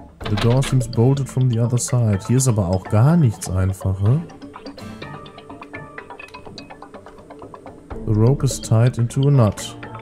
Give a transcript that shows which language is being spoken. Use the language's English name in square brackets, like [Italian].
[English] The door seems bolted from the other side. [German] Hier ist aber auch gar nichts einfach, hm? [English] The rope is tied into a knot.